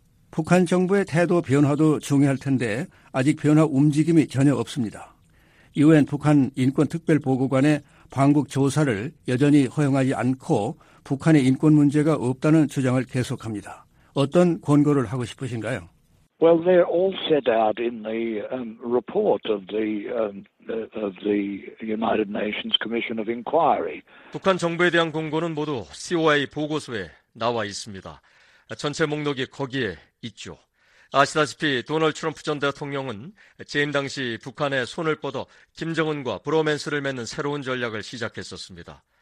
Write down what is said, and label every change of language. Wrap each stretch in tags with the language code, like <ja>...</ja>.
<ko>북한 정부의 태도 변화도 중요할 텐데 아직 변화 움직임이 전혀 없습니다. 유엔 북한 인권특별보고관의 방북 조사를 여전히 허용하지 않고 북한의 인권 문제가 없다는 주장을 계속합니다. 어떤 권고를 하고 싶으신가요?</ko> <en>Well, they're all set out in the report of the of the United Nations Commission of Inquiry.</en> <ko>북한 정부에 대한 권고는 모두 COI 보고서에 나와 있습니다. 전체 목록이 거기에 있죠. 아시다시피 도널드 트럼프 전 대통령은 재임 당시 북한에 손을 뻗어 김정은과 브로맨스를 맺는 새로운 전략을 시작했었습니다.</ko>